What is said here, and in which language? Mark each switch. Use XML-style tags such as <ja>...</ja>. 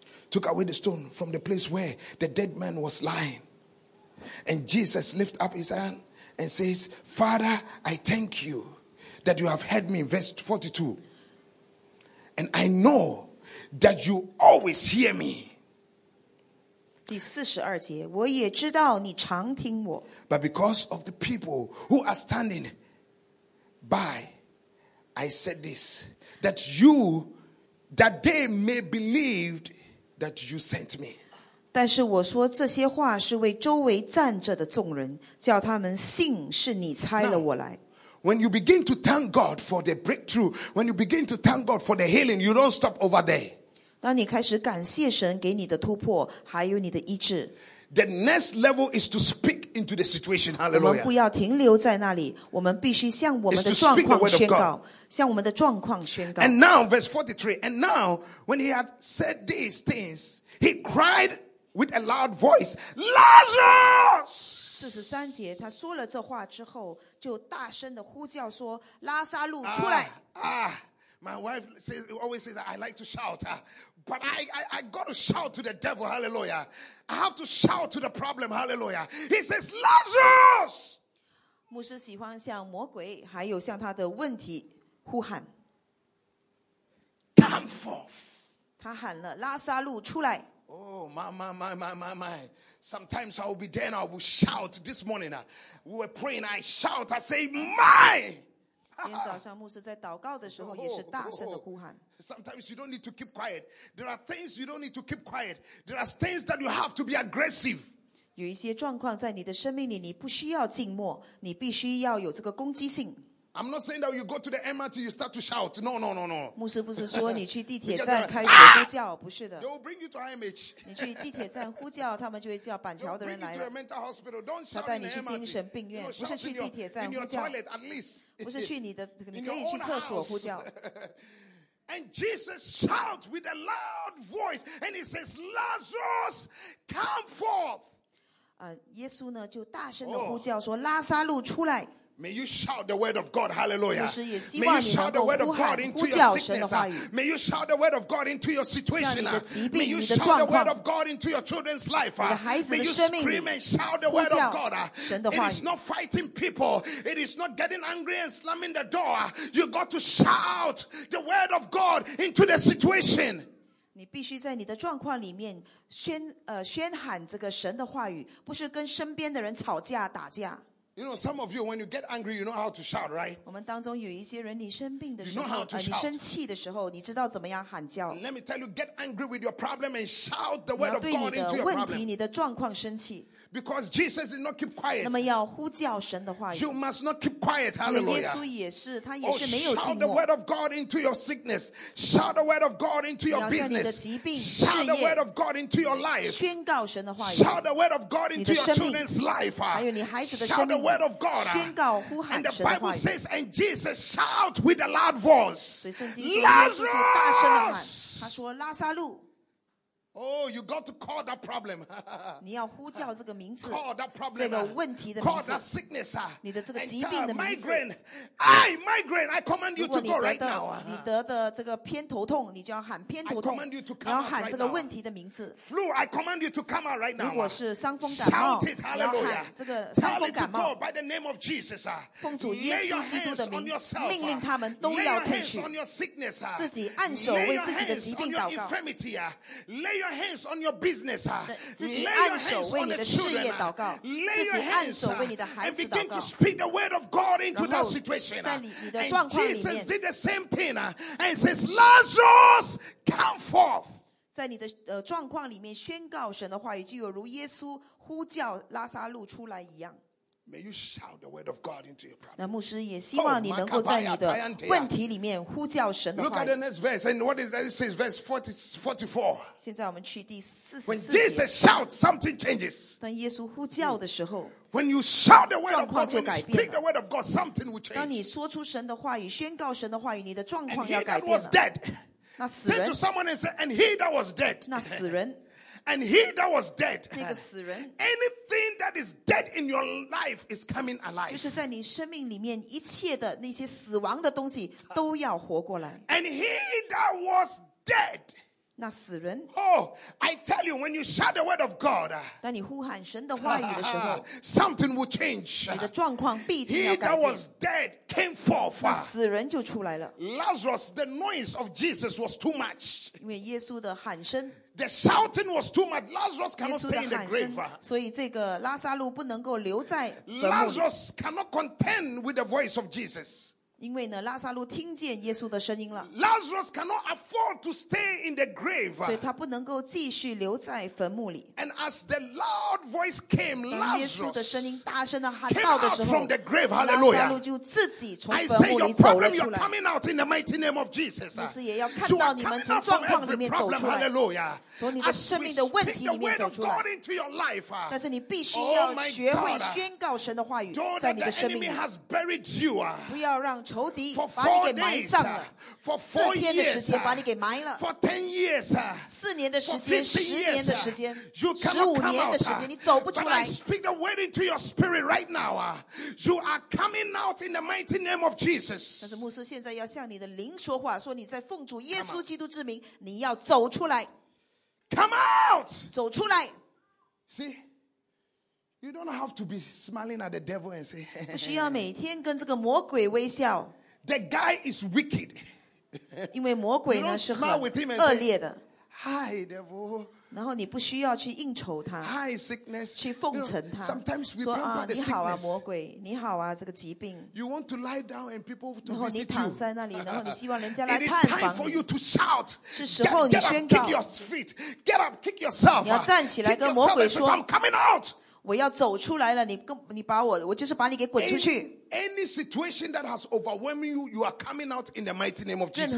<en>Took away the stone from the place where the dead man was lying. And Jesus lifted up his hand and says, Father, I thank you that you have heard me. Verse 42. And I know that you always hear me.</en> <zh>第四十二节，我也知道你常听我。</zh> <en>But because of the people who are standing by, I said this, that they may believe that you sent me.</en> <zh>但是我说这些话是为周围站着的众人，叫他们信是你差了我来。</zh> <en>When you begin to thank God for the breakthrough, when you begin to thank God for the healing, you don't stop over there.</en> <zh>当你开始感谢神给你的突破，还有你的医治。</zh> <en>The next level is to speak into the situation. Hallelujah.</en> <zh>我们不要停留在那里，我们必须向我们的状况宣告，向我们的状况宣告。</zh> <en>And now, verse 43. And now, when he had said these things, he cried with a loud voice, Lazarus!</en> <zh>四十三节，他说了这话之后，就大声的呼叫说：“拉撒路出来！”</zh> <en>My wife says, always says, I like to shout, but I got to shout to the devil, hallelujah! I have to shout to the problem, hallelujah! He says, Lazarus!</en> <zh>牧师喜欢向魔鬼还有向他的问题呼喊</zh> <en>，Come forth！</en> <zh>他喊了：“拉撒路出来！”</zh> <en>Oh, my! Sometimes I will be there and I will shout this morning. We were praying, I shout, I say, my!</en> <zh>今天早上牧师在祷告的时候也是大声的呼喊。</zh> <en>Sometimes you don't need to keep quiet. There are things you don't need to keep quiet. There are things that you have to be aggressive.</en> <zh>有一些状况在你的生命里你不需要静默，你必须要有这个攻击性。</zh> <en>I'm not saying that you go to the MRT, you start to shout. No.</en> <zh>牧师不是说你去地铁站开始呼叫，不是的。</zh> <en>They will bring you to IMH.</en> <zh>你去地铁站呼叫，他们就会叫板桥的人来了。</zh> <en>They will bring you to a mental hospital. Don't shout in the MRT.</en> <zh>他带你去精神病院，不是去地铁站呼叫。</zh> <en>In your toilet, at least.</en> <zh>不是去你的，你可以去厕所呼叫。</zh> <en>And Jesus shouts with a loud voice, and he says, "Lazarus, come forth."</en> <zh>耶稣呢就大声的呼叫说，拉撒路出来。</zh> <en>May you shout the word of God, hallelujah.</en> <zh>就是也希望你能够呼喊,</zh> <en>May you shout the word of God into your sickness.</en> <zh>呼叫神的话语。</zh> <en>May you shout the word of God into your situation.</en> <zh>向你的疾病,</zh> <en>May you shout the word of God into your children's life.</en> <zh>你的孩子的生命里,</zh> <en>May you scream and shout the word of God.</en> <zh>神的话语。</zh> <en>It is not fighting people. It is not getting angry and slamming the door. You got to shout the word of God into the situation.</en> <zh>你必须在你的状况里面宣喊这个神的话语，不是跟身边的人吵架打架。</zh> <en>You know, some of you, when you get angry, you know how to shout, right?</en> <zh>我们当中有一些人，你生病的时候，</zh> <en>you know how to shout.</en> <zh>你生气的时候，你知道怎么样喊叫。</zh> <en>Let me tell you, get angry with your problem and shout the word of God into your problem.</en> <zh>你要对你的问题、你的状况生气。</zh> <en>Because Jesus did not keep quiet.</en> <zh>那么要呼叫神的话语。</zh> <en>You must not keep quiet, hallelujah.</en> <zh>耶稣也是，他也是没有静默。</zh> <en>Shout the word of God into your sickness. Shout the word of God into your business.</en> <zh>你要向你的疾病、事业。</zh> <en>Shout the word of God into your life.</en> <zh>宣告神的话语。</zh> <en>Shout the word of God into your children's life.</en> <zh>还有你孩子的生命。</zh> <en>Shout the word of God.</en> <zh>宣告呼喊神的话语。</zh> <en>And the Bible says, and Jesus shout with a loud voice.</en> <zh>所以圣经说，耶稣就大声的喊，他说：“拉撒路。”</zh> <en>Oh, you got to call that problem.</en> <zh>你要呼叫这个名字。</zh> <en>Call that problem.</en> <zh>这个问题的名字。</zh> <en>Call that sickness.</en> <zh>你的这个疾病的名字。</zh> <en>And migraine. Migraine. I command you to go right now.</en> <zh>你得的这个偏头痛，你就要喊偏头痛。</zh> <en>I command you to come out right now.</en> <zh>你要喊这个问题的名字。</zh> <en>Flu. I command you to come out right now.</en> <zh>如果是伤风感冒，你要喊这个伤风感冒。</zh> <en>By the name of Jesus.</en> <zh>奉主耶稣基督的名，命令他们都要退去。</zh> <en>Lay your hands on your sickness.</en> <zh>自己按手为自己的疾病祷告。</zh> <en>Lay your hands on your infirmity. Lay your your hands on your business. Lay your hands on the children. Lay your hands and begin to speak the word of God into that situation. And Jesus did the same thing. And says, Lazarus, come forth.</en> <zh>在你的状况里面宣告神的话语，就有如耶稣呼叫拉撒路出来一样。</zh> <en>May you shout the word of God into your problem.</en> <zh>那牧师也希望你能够在你的问题里面呼叫神的话语。</zh> <en>Look at the next verse, and what is that? It says verse 44.</en> <zh>现在我们去第44节。</zh> <en>When Jesus shouts, something changes.</en> <zh>当耶稣呼叫的时候。</zh> <en>When you shout the word of God, when you speak the word of God, something will change.</en> <zh>当你说出神的话语，宣告神的话语，你的状况要改变了。</zh> <en>And he that was dead. Say to someone and say, and he that was dead.</en> <zh>那死人</zh> <en>and he that was dead.</en> <zh>那个死人</zh> <en>Anything that is dead in your life is coming alive.</en> <zh>就是在你生命里面一切的那些死亡的东西都要活过来</zh> <en>And he that was dead.</en> <zh>那死人</zh> <en>Oh, I tell you, when you shout the word of God,</en> <zh>当你呼喊神的话语的时候</zh> <en>something will change.</en> <zh>你的状况必定要改变</zh> <en>He that was dead. Came forth.</en> <zh>那死人就出来了。</zh> <en>Lazarus, the noise of Jesus was too much.</en> <zh>因为耶稣的喊声。</zh> <en>The shouting was too much. Lazarus cannot stay in the grave.</en> <zh>所以这个拉撒路不能够留在。</zh> <en>Lazarus cannot contend with the voice of Jesus.</en> <zh>因为呢，拉撒路听见耶稣的声音了。</zh> <en>Lazarus cannot afford to stay in the grave.</en> <zh>所以他不能够继续留在坟墓里。</zh> <en>And as the loud voice came, Lazarus.</en> <zh>耶稣的声音大声的喊到的时候。</zh> <en>Came out from the grave. Hallelujah.</en> <zh>拉撒路就自己从坟墓里走了出来。</zh> <en>I say your problem, you're coming out in the mighty name of Jesus.</en> <zh>牧师也要看到你们从状况里面走出来。</zh> <en>Hallelujah.</en> <zh>从你的生命的问题里面走出来。</zh> <en>As we speak the word of God into your life.</en> <zh>但是你必须要学会宣告神的话语在你的生命里。</zh> <en>Don't let the enemy has buried you.</en> <zh>不要让仇敌把你给埋葬了四天的时间把你给埋了</zh> <en>for 10 years,</en> <zh>四年的时间</zh> <en>for 15 years,</en> <zh>十年的时间</zh> <en>you cannot</en> <zh>十五年的时间</zh> <en>out,</en> <zh>你走不出来</zh> <en>but I speak the word into your spirit right now you are coming out in the mighty name of Jesus</en> <zh>但是牧师现在要向你的灵说话说你在奉主耶稣基督之名你要走出来</zh> <en>come out</en> <zh>走出来</zh> <en>seeYou don't have to be smiling at the devil and say,</en> <zh>不需要每天跟这个魔鬼微笑。</zh> <en>The guy is wicked.</en> <zh>因为魔鬼呢是很恶劣的。</zh> <en>Hi, devil.</en> <zh>然后你不需要去应酬他。</zh> <en>Hi, sickness.</en> <zh>去奉承他。</zh> <en>Sometimes we bring back the sickness.</en> <zh>你好啊，魔鬼，你好啊，这个疾病。</zh> <en>You want to lie down and people to visit you.</en> <zh>然后你躺在那里，然后你希望人家来探访你。</zh> <en>It is time for you to shout.</en> <zh>是时候你宣告。</zh> <en>Get up, kick your feet. Get up, kick yourself.</en> <zh>你要站起来跟魔鬼说</zh> <en>I'm coming out.</en> <zh>我要走出来了 你把我就是把你给滚出去</zh> <en>any situation that has overwhelmed you you are coming out in the mighty name of Jesus</en>